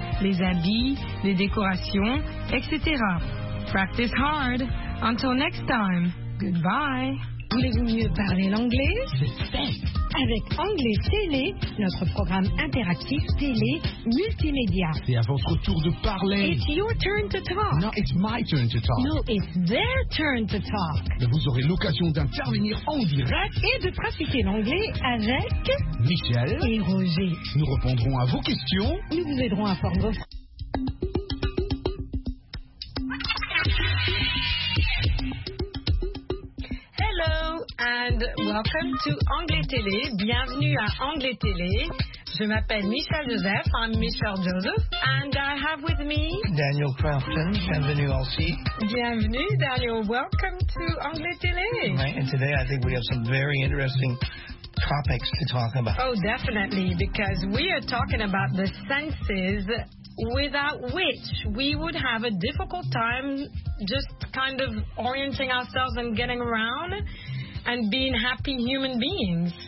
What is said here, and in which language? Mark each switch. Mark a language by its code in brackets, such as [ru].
[fr] Les habits, les décorations, etc. [en] Practice hard. Until next time. Goodbye. [fr] Voulez-vous mieux parler l'anglais? Avec Anglais Télé, notre programme interactif télé multimédia. C'est à votre tour de parler. [en] It's your turn to talk. No, it's my turn to talk. No, it's their turn to talk. [fr] Vous aurez l'occasion d'intervenir en direct et de pratiquer l'anglais avec Michel et Roger. Nous répondrons à vos questions. Nous vous aiderons à former vos... [en] And welcome to Anglais Télé. [fr] Bienvenue à Anglais Télé. Je m'appelle Michel Joseph. [en] I'm Michel Joseph. And I have with me... [fr] Daniel Crafton. Bienvenue aussi. Bienvenue, Daniel. [en] Welcome to Anglais Télé. Right, and today I think we have some very interesting topics to talk about. Oh, definitely, because we are talking about the senses without which we would have a difficult time just kind of orienting ourselves and getting around and being happy human beings.